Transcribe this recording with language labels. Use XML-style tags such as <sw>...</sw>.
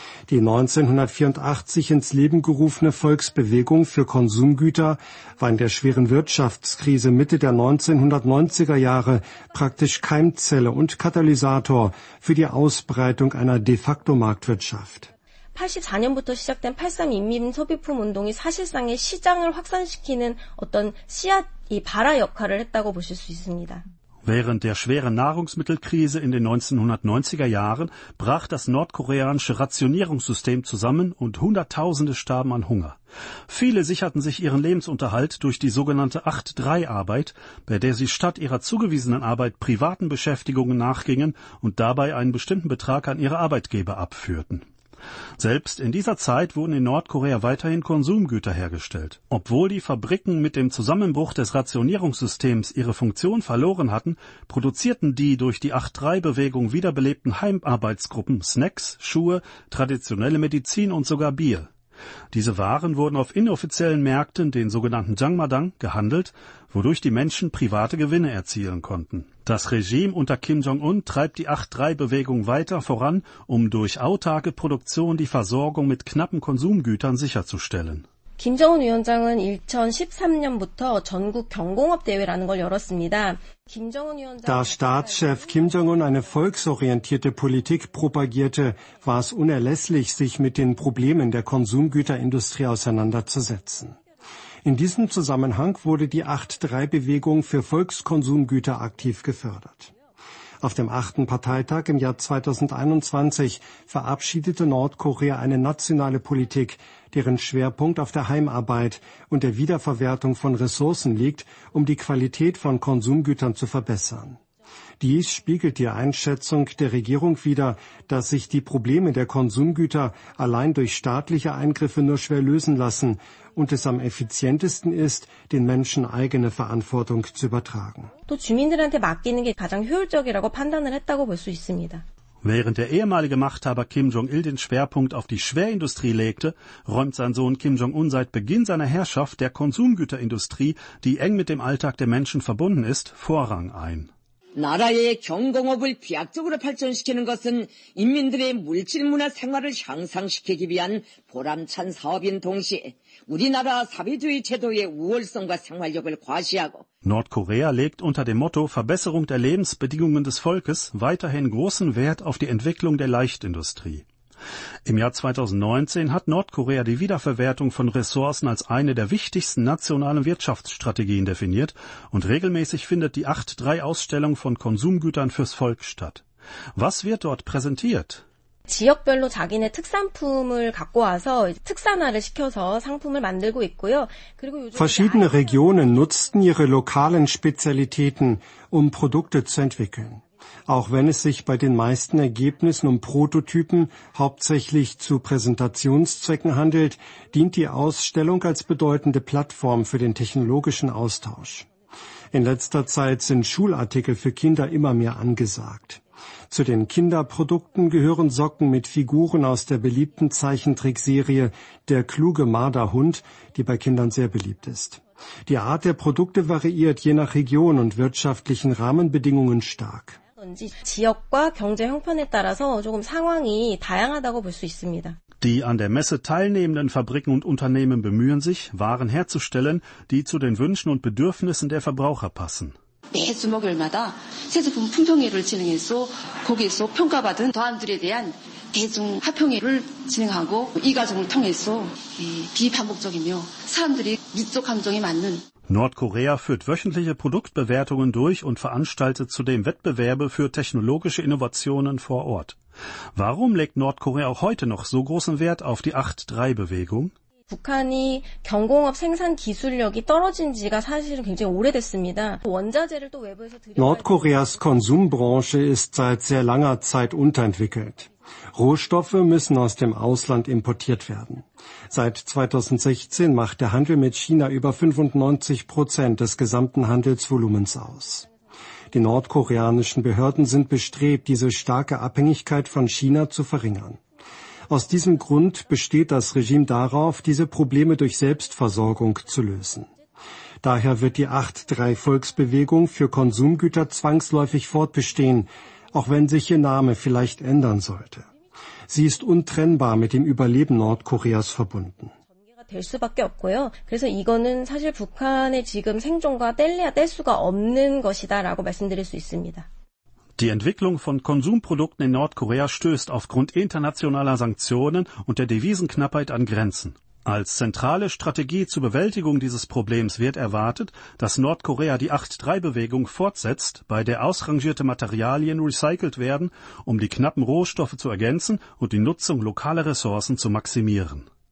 <de>Die 1984 ins Leben gerufene Volksbewegung für Konsumgüter war in der schweren Wirtschaftskrise Mitte der 1990er Jahre praktisch Keimzelle und Katalysator für die Ausbreitung einer de facto Marktwirtschaft.</de> <ko>84년부터 시작된 83 인민소비품 운동이 사실상의 시장을 확산시키는 어떤 씨앗이 발아 역할을 했다고 보실 수 있습니다.</ko> <de>Während der schweren Nahrungsmittelkrise in den 1990er Jahren brach das nordkoreanische Rationierungssystem zusammen und Hunderttausende starben an Hunger. Viele sicherten sich ihren Lebensunterhalt durch die sogenannte 8-3-Arbeit, bei der sie statt ihrer zugewiesenen Arbeit privaten Beschäftigungen nachgingen und dabei einen bestimmten Betrag an ihre Arbeitgeber abführten. Selbst in dieser Zeit wurden in Nordkorea weiterhin Konsumgüter hergestellt. Obwohl die Fabriken mit dem Zusammenbruch des Rationierungssystems ihre Funktion verloren hatten, produzierten die durch die 8-3-Bewegung wiederbelebten Heimarbeitsgruppen Snacks, Schuhe, traditionelle Medizin und sogar Bier. Diese Waren wurden auf inoffiziellen Märkten, den sogenannten Jangmadang, gehandelt, wodurch die Menschen private Gewinne erzielen konnten. Das Regime unter Kim Jong-un treibt die 8-3-Bewegung weiter voran, um durch autarke Produktion die Versorgung mit knappen Konsumgütern sicherzustellen.</de> <ko>Kim Jong-un 위원장은 2013년부터 전국 경공업 대회라는 걸 열었습니다.</ko> <de>Da Staatschef Kim Jong-un eine volksorientierte Politik propagierte, war es unerlässlich, sich mit den Problemen der Konsumgüterindustrie auseinanderzusetzen. In diesem Zusammenhang wurde die 8-3-Bewegung für Volkskonsumgüter aktiv gefördert. Auf dem 8. Parteitag im Jahr 2021 verabschiedete Nordkorea eine nationale Politik, deren Schwerpunkt auf der Heimarbeit und der Wiederverwertung von Ressourcen liegt, um die Qualität von Konsumgütern zu verbessern. Dies spiegelt die Einschätzung der Regierung wider, dass sich die Probleme der Konsumgüter allein durch staatliche Eingriffe nur schwer lösen lassen und es am effizientesten ist, den Menschen eigene Verantwortung zu übertragen.</de> <ko>또 주민들한테 맡기는 게 가장 효율적이라고 판단을 했다고 볼 수 있습니다.</ko> <de>Während der ehemalige Machthaber Kim Jong-il den Schwerpunkt auf die Schwerindustrie legte, räumt sein Sohn Kim Jong-un seit Beginn seiner Herrschaft der Konsumgüterindustrie, die eng mit dem Alltag der Menschen verbunden ist, Vorrang ein.</de> <ko>나라의 경공업을 비약적으로 발전시키는 것은 인민들의 물질문화 생활을 향상시키기 위한 보람찬 사업인 동시에 우리나라 사회주의 제도의 우월성과 생활력을 과시하고</ko> <de>Nordkorea legt unter dem Motto Verbesserung der Lebensbedingungen des Volkes weiterhin großen Wert auf die Entwicklung der Leichtindustrie. Im Jahr 2019 hat Nordkorea die Wiederverwertung von Ressourcen als eine der wichtigsten nationalen Wirtschaftsstrategien definiert und regelmäßig findet die 8-3-Ausstellung von Konsumgütern fürs Volk statt. Was wird dort präsentiert?</de> <ko>지역별로 자기네 특산품을 갖고 와서 특산화를 시켜서 상품을 만들고 있고요.</ko> <de>Verschiedene Regionen nutzten ihre lokalen Spezialitäten, um Produkte zu entwickeln. Auch wenn es sich bei den meisten Ergebnissen um Prototypen hauptsächlich zu Präsentationszwecken handelt, dient die Ausstellung als bedeutende Plattform für den technologischen Austausch. In letzter Zeit sind Schulartikel für Kinder immer mehr angesagt. Zu den Kinderprodukten gehören Socken mit Figuren aus der beliebten Zeichentrickserie Der kluge Marderhund, die bei Kindern sehr beliebt ist. Die Art der Produkte variiert je nach Region und wirtschaftlichen Rahmenbedingungen stark.</de> <ko>지역과 경제 형편에 따라서 조금 상황이 다양하다고 볼 수 있습니다.</ko> <de>Die an der Messe teilnehmenden Fabriken und Unternehmen bemühen sich, Waren herzustellen, die zu den Wünschen und Bedürfnissen der Verbraucher passen.</de> <ko>매 주목일마다 세제품 품평회를 진행해서 거기에서 평가받은 도안들에 대한 대중 합평회를 진행하고 이 과정을 통해서 비반복적이며 사람들이 민족 감정에 맞는</ko> <de>Nordkorea führt wöchentliche Produktbewertungen durch und veranstaltet zudem Wettbewerbe für technologische Innovationen vor Ort. Warum legt Nordkorea auch heute noch so großen Wert auf die 8-3-Bewegung?</de> <ko>북한이 경공업 생산 기술력이 떨어진 지가 사실은 굉장히 오래됐습니다. 원자재를 또 외부에서 들여</ko> <de>Nordkoreas Konsumbranche ist seit sehr langer Zeit unterentwickelt. Rohstoffe müssen aus dem Ausland importiert werden. Seit 2016 macht der Handel mit China über 95% des gesamten Handelsvolumens aus. Die nordkoreanischen Behörden sind bestrebt, diese starke Abhängigkeit von China zu verringern. Aus diesem Grund besteht das Regime darauf, diese Probleme durch Selbstversorgung zu lösen. Daher wird die 8-3-Volksbewegung für Konsumgüter zwangsläufig fortbestehen, auch wenn sich ihr Name vielleicht ändern sollte. Sie ist untrennbar mit dem Überleben Nordkoreas verbunden.</de> <ko>될 수밖에 없고요. 그래서 이거는 사실 북한의 지금 생존과 뗄래야 뗄 수가 없는 것이다라고 말씀드릴 수 있습니다.</ko> <de>Die Entwicklung von Konsumprodukten in Nordkorea stößt aufgrund internationaler Sanktionen und der Devisenknappheit an Grenzen. Als zentrale Strategie zur Bewältigung dieses Problems wird erwartet, dass Nordkorea die 8-3-Bewegung fortsetzt, bei der ausrangierte Materialien recycelt werden, um die knappen Rohstoffe zu ergänzen und die Nutzung lokaler Ressourcen zu maximieren.</de>